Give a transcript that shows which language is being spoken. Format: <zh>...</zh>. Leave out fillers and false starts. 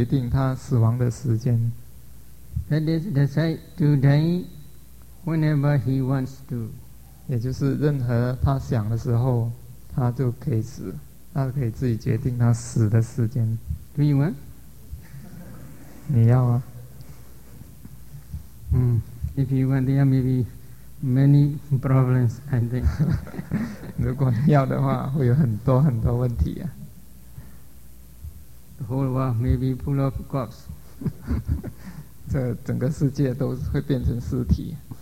<zh>一个人如何决定他死亡的时间?</zh> <en>That is, decide to die whenever he wants to.</en> <zh>也就是任何他想的时候，他就可以死。他可以自己决定他死的时间。</zh> <en>Do you want?</en> <zh>你要啊。</zh> <en>If you want, there may be many problems, I think.</en> <zh>如果你要的话，会有很多很多问题啊。</zh> <en>The whole world may be full of corpses.</en> <zh>这整个世界都会变成尸体。</zh>